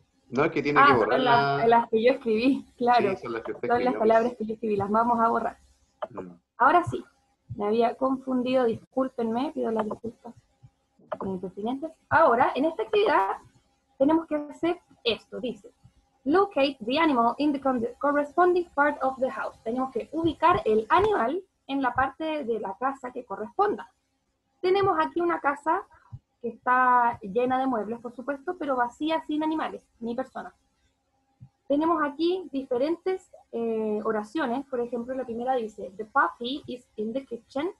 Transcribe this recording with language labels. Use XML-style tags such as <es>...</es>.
<es>No, es que tiene que borrar. Las que yo escribí, claro. Sí, son las, que usted son escribió, las palabras que yo escribí, las vamos a borrar. Ahora sí, me había confundido, discúlpenme, pido las disculpas con el presidente. Ahora, en esta actividad, tenemos que hacer esto, dice.</es> <en>Locate the animal in the corresponding part of the house.</en> <es>Tenemos que ubicar el animal en la parte de la casa que corresponda. Tenemos aquí una casa que está llena de muebles, por supuesto, pero vacía, sin animales, ni personas. Tenemos aquí diferentes oraciones. Por ejemplo, la primera dice,</es> <en>the puppy is in the kitchen.</en>